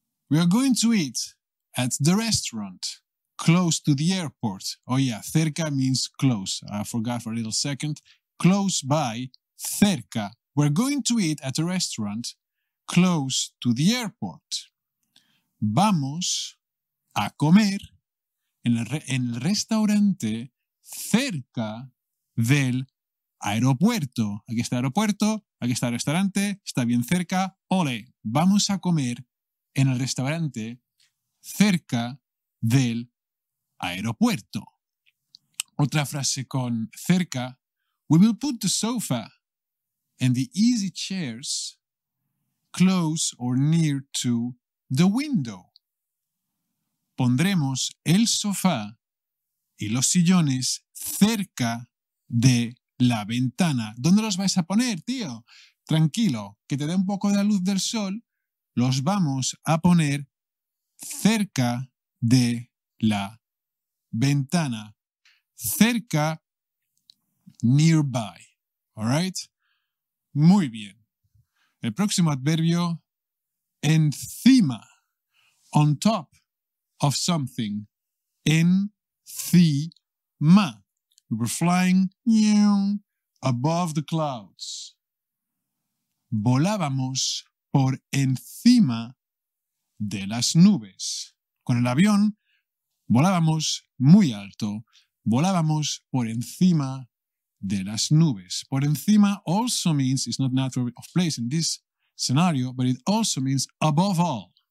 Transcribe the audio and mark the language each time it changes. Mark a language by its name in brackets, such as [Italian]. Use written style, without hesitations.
[English] We are going to eat at the restaurant close to the airport. Oh yeah, cerca means close. I forgot for a little second. Close by, cerca. We're going to eat at a restaurant close to the airport. [Spanish] Vamos a comer en el restaurante cerca del aeropuerto. Aquí está el aeropuerto, aquí está el restaurante, está bien cerca. Ole, vamos a comer en el restaurante cerca del aeropuerto. Otra frase con cerca. [English] We will put the sofa and the easy chairs close or near to the window. [Spanish] Pondremos el sofá y los sillones cerca de la ventana. ¿Dónde los vais a poner, tío? Tranquilo, que te dé un poco de la luz del sol. Los vamos a poner cerca de la ventana. [English] Cerca, nearby. All right? [Spanish] Muy bien. El próximo adverbio, encima. [English] On top of something. Encima. We were flying above the clouds. [Spanish] Volábamos por encima de las nubes. Con el avión volábamos muy alto. Volábamos por encima de las nubes. [English] Por encima also means, it's not natural of place in this scenario, but it also means above all.